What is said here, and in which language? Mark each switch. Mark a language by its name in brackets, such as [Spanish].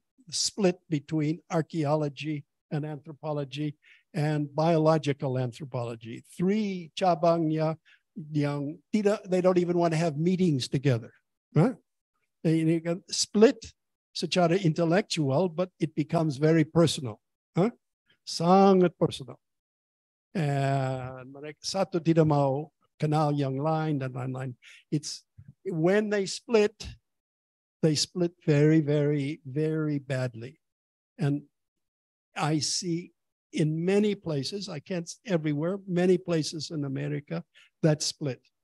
[English] Split between archaeology and anthropology and biological anthropology. Three [Indonesian] cabangnya yang [English] they don't even want to have meetings together. Huh? They can split secara intellectual, but it becomes very personal. [Indonesian] Huh? Sangat personal. And satu tidak mau kenal yang lain dan lain-lain. [English] It's when they split very, very, very badly. And I see in many places, I can't say everywhere, many places in America that split.